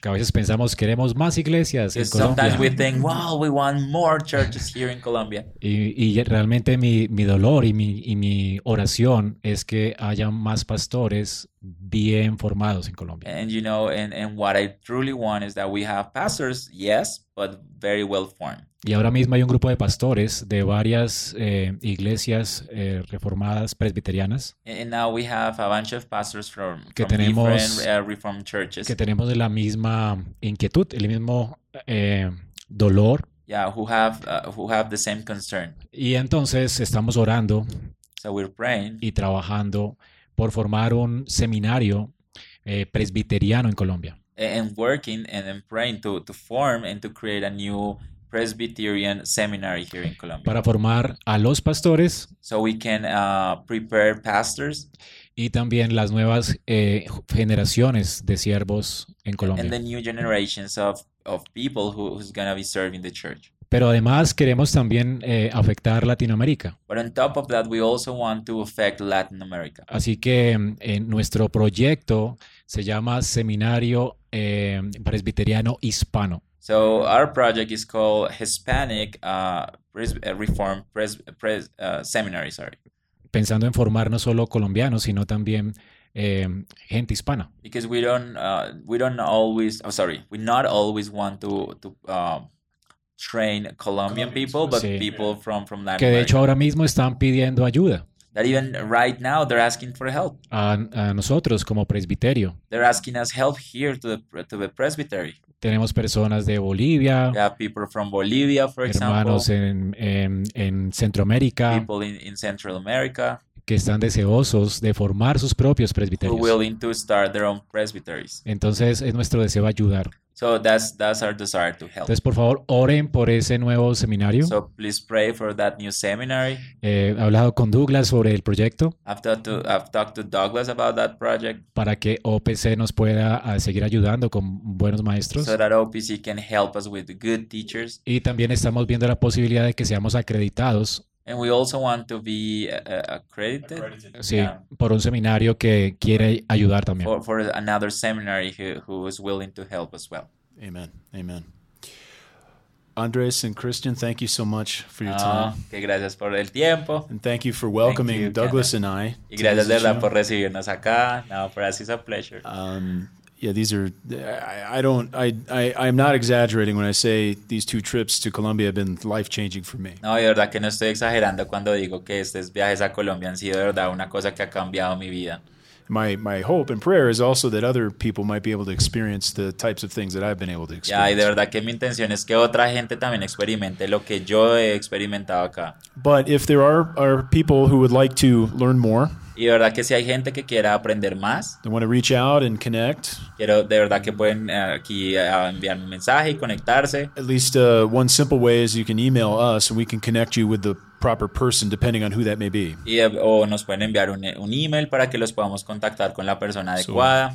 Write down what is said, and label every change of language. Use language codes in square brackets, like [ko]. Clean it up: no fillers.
[es] Que a veces pensamos, queremos más iglesias en Colombia. [en] Sometimes we think, wow, we want more churches here in Colombia. [es] Y realmente mi dolor y mi oración es que haya más pastores bien formados en Colombia. [en] And you know, and what I truly want is that we have pastors, yes, but very well formed. [es] Y ahora mismo hay un grupo de pastores de varias iglesias reformadas presbiterianas. [en] And now we have a bunch of pastors from reformed churches. [es] Que tenemos la misma inquietud, el mismo dolor. [en] Yeah, who have the same concern. [es] Y entonces estamos orando. [en] So we're praying. [es] Y trabajando por formar un seminario presbiteriano en Colombia. [en] And working and praying to form and to create a new Presbyterian seminary here in Colombia. [es] Para formar a los pastores. [en] So we can prepare pastors. [es] Y también las nuevas generaciones de siervos en Colombia. [en] And the new generations of people who's going to be serving the church. [es] Pero además queremos también afectar Latinoamérica. [en] But on top of that, we also want to affect Latin America. [es] Así que nuestro proyecto se llama Seminario Presbiteriano Hispano. [en] So our project is called Hispanic Reform Seminary. Sorry. [es] Pensando en formar no solo colombianos sino también gente hispana. [en] Because we not always want to train Colombian people, but sí. People from Latin America. [es] Que de hecho ahora mismo están pidiendo ayuda. [en] That even right now they're asking for help. [es] A nosotros como presbiterio. [en] They're asking us help here to the presbytery. [es] Tenemos personas de Bolivia. [en] We have people from Bolivia, for [es] hermanos [en] example. [es] Hermanos en Centroamérica. [en] People in Central America. [es] Que están deseosos de formar sus propios presbiterios. [en] Who are willing to start their own presbyteries. [es] Entonces es nuestro deseo ayudar. [en] So that's our desire to help. [es] Entonces, por favor, oren por ese nuevo seminario. [en] So please pray for that new seminary. [es] He hablado con Douglas sobre el proyecto. [en] I've talked to Douglas about that project. [es] Para que OPC nos pueda seguir ayudando con buenos maestros. [en] So that OPC can help us with good teachers. [es] Y también estamos viendo la posibilidad de que seamos acreditados. [en] And we also want to be accredited. [es] Sí, yeah. Por un seminario que quiere ayudar también. [en] For another seminary who is willing to help as well. Amen. Amen. Andres and Christian, thank you so much for your time. [es] Que gracias por el tiempo. [en] And thank you for welcoming you, Douglas Kenneth. And I. [es] Y gracias de verdad por recibirnos acá. No, [en] for us it's a pleasure. Yeah, these are. I'm not exaggerating when I say these two trips to Colombia have been life changing for me. [es] No, de verdad que no estoy exagerando cuando digo que estos viajes a Colombia han sido de verdad una cosa que ha cambiado mi vida. [en] My hope and prayer is also that other people might be able to experience the types of things that I've been able to experience. [es] Yeah, y de verdad que mi intención es que otra gente también experimente lo que yo he experimentado acá. [en] But if there are people who would like to learn more. [es] Y de verdad que si hay gente que quiera aprender más, [en] they want to reach out and connect. [es] Quiero de verdad que pueden aquí enviar un mensaje y conectarse. [en] At least one simple way is you can email us and we can connect you with the proper person depending on who that may be. [es] Y, o nos pueden enviar un email para que los podamos contactar con la persona adecuada.